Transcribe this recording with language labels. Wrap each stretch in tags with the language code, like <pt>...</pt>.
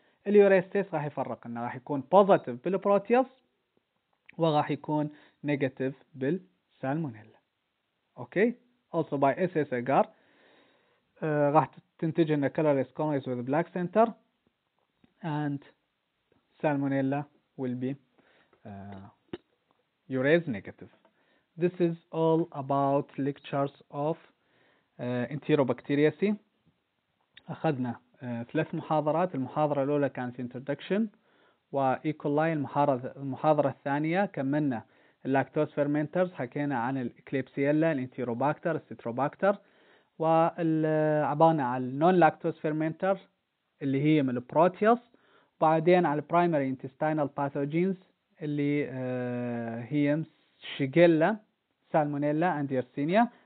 <ar>اليوريز تيست راح يفرق لنا، راح يكون positive بالبروتياز وراح يكون negative بالسالمونيلا.</ar> <en>okay also by SS agar</en> <ar>راح تنتج لنا</ar> <en>colorless colonies with black center and salmonella will be uraze negative. This is all about lectures of Enterobacteriaceae.</en> <ar>أخذنا ثلاث محاضرات، المحاضرة الأولى كانت Introduction و E.</ar> <en>coli.</en> <ar>المحاضرة الثانية كملنا Lactose Fermenters، حكينا عن الكليبسيلا، الانتيروباكتر، السيتروباكتر، وعبانا على Non-Lactose Fermenter اللي هي من البروتياز، بعدين على Primary Intestinal Pathogens اللي هي شيجيلا، سالمونيلا and يرسينيا.</ar>